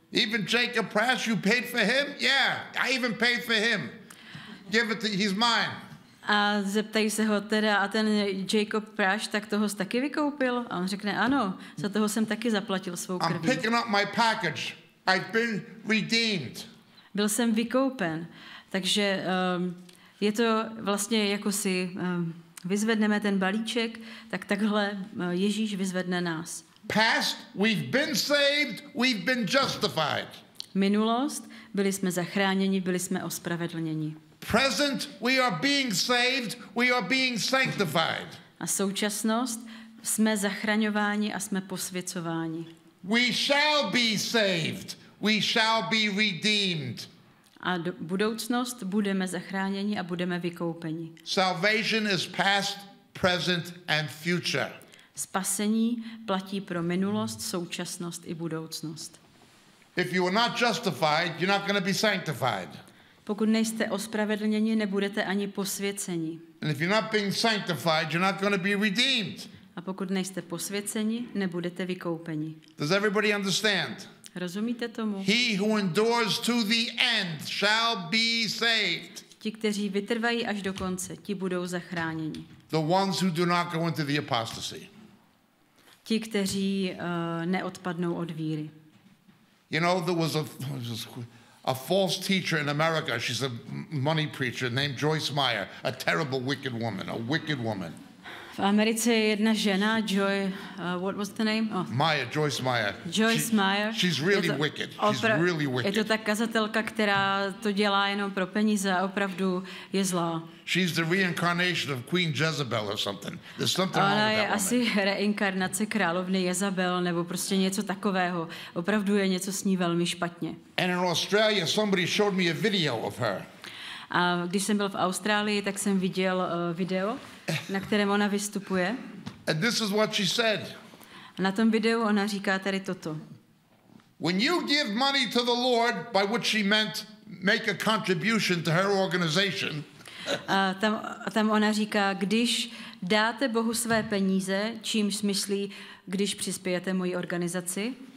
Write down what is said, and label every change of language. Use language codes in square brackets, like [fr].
[en] Even Jacob Prash, you paid for him? Yeah, I even paid for him. Give it to, he's mine. [cs] A zeptají se ho teda, a ten Jacob Prash, tak toho jsi taky vykoupil? A on řekne, ano, za toho jsem taky zaplatil svou krví. [en] I'm picking up my package. I've been redeemed. [cs] Byl jsem vykoupen. Takže je to vlastně jako si vyzvedneme ten balíček, tak takhle Ježíš vyzvedne nás. [en] Past, we've been saved, we've been justified. [cs] Minulost, byli jsme zachráněni, byli jsme ospravedlněni. [en] Present, we are being saved, we are being sanctified. [cs] A současnost, jsme zachraňováni a jsme posvěcováni. [en] We shall be saved, we shall be redeemed. [cs] A budoucnost, budeme zachráněni a budeme vykoupeni. [en] Salvation is past, present and future. [cs] Spasení platí pro minulost, současnost i budoucnost. [en] If you are not justified, you're not going to be sanctified. [cs] Pokud nejste ospravedlněni, nebudete ani posvěceni. [en] And if you're not being sanctified, you're not going to be redeemed. [cs] A pokud nejste posvěceni, nebudete vykoupeni. [en] Does everybody understand? [cs] Rozumíte tomu? [en] He who endures to the end shall be saved. [cs] Ti, kteří vytrvají až do konce, ti budou zachráněni. [en] The ones who do not go into the apostasy. [cs] Ti, kteří neodpadnou od víry. [en] You know, there was a false teacher in America. She's a money preacher named Joyce Meyer, a terrible wicked woman, a wicked woman. [cs] V Americe je jedna žena, Joy, [en] what was the name? Oh. Meyer, Joyce Meyer. Joyce Meyer. She's really wicked. She's really wicked. [cs] Je to ta kazatelka, která to dělá jenom pro peníze a opravdu je zlá. [en] She's the reincarnation of Queen Jezebel or something. There's something [cs] ona [en] wrong with that woman. [cs] Ona je asi reinkarnace královny Jezabel nebo prostě něco takového. Opravdu je něco s ní velmi špatně. [en] And in Australia somebody showed me a video of her. [cs] A když jsem byl v Austrálii, tak jsem viděl video, na kterém ona vystupuje. [en] And this is what she said. [cs] A na tom videu ona říká tady toto. [en] When you give money to the Lord, by which she meant make a contribution to her organization. [cs] A tam ona říká, když dáte Bohu své peníze, čímž myslí, když přispějete mojí organizaci,